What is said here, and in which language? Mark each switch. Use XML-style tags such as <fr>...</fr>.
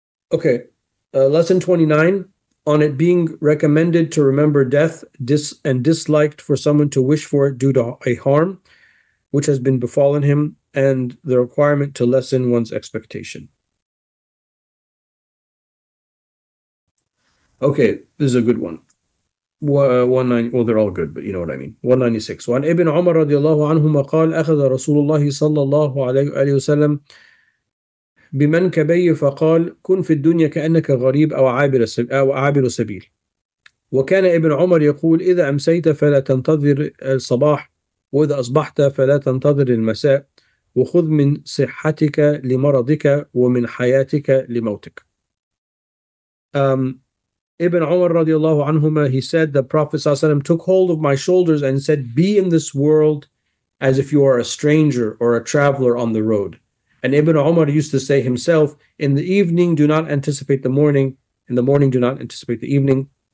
<en>Okay, lesson 29, on it being recommended to remember death and disliked for someone to wish for it due to a harm which has been befallen him, and the requirement to lessen one's expectation. Okay, this is a good one. 190, well, they're all good, but you know what I mean. 196.</en> <ar>وعن ابن عمر رضي الله عنهما قال أخذ رسول الله صلى الله عليه وسلم بمن كبي فقال كن في الدنيا كأنك غريب أو عابر سبيل. وكان ابن عمر يقول إذا أمسيت فلا تنتظر الصباح وإذا أصبحت فلا تنتظر المساء وخذ من صحتك لمرضك ومن حياتك لموتك.</ar> <en>Ibn Umar radiallahu anhuma, he said, the Prophet sallallahu alayhi wa sallam took hold of my shoulders and said, be in this world as if you are a stranger or a traveler on the road. And Ibn Umar used to say himself, in the evening do not anticipate the morning, in the morning do not anticipate the evening.</en>